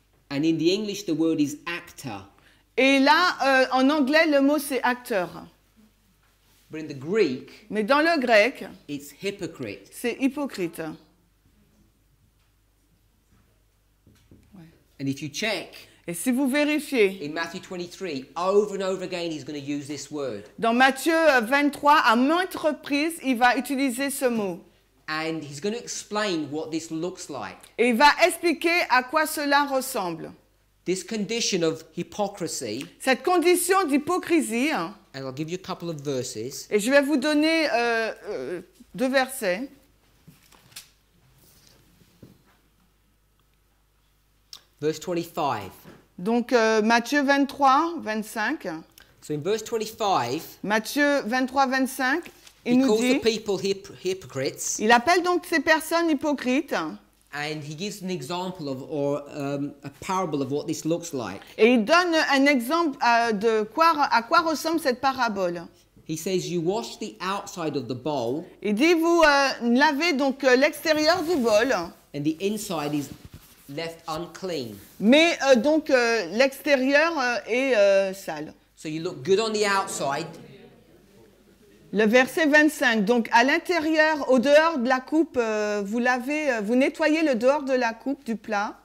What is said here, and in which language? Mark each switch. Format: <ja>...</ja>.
<en>And in the English, the word is actor.</en> <fr>Et là, en anglais, le mot c'est acteur.</fr> <en>But in the Greek,</en> <fr>mais dans le grec,</fr> <en>it's hypocrite.</en> <fr>C'est hypocrite.</fr> <en>And if you check,</en> <fr>et si vous vérifiez,</fr> <en>in Matthew 23, over and over again, he's going to use this word.</en> <fr>Dans Matthieu 23, à maintes reprises, il va utiliser ce mot.</fr> <en>And he's going to explain what this looks like.</en> <fr>Et il va expliquer à quoi cela ressemble.</fr> <en>This condition of hypocrisy.</en> <fr>Cette condition d'hypocrisie.</fr> <en>And I'll give you a couple of verses.</en> <fr>Et je vais vous donner deux versets.</fr> <en>Verse 25.</en> <fr>Donc Matthieu 23, 25.</fr> <en>So in verse 25,</en> <fr>Matthieu 23, 25, il nous dit,</fr> <en>he calls the people hypocrites.</en> <fr>Il appelle donc ces personnes hypocrites.</fr> <en>And he gives an example of, or a parable of what this looks like.</en> <fr>Et il donne un exemple à quoi ressemble cette parabole.</fr> <en>He says, you wash the outside of the bowl.</en> <fr>Il dit, vous lavez donc l'extérieur du bol.</fr> <en>And the inside is left unclean.</en> <fr>Mais donc l'extérieur est sale.</fr> <en>So you look good on the outside.</en> <fr>Le verset 25. Donc à l'intérieur, au dehors de la coupe, vous lavez, vous nettoyez le dehors de la coupe du plat.</fr>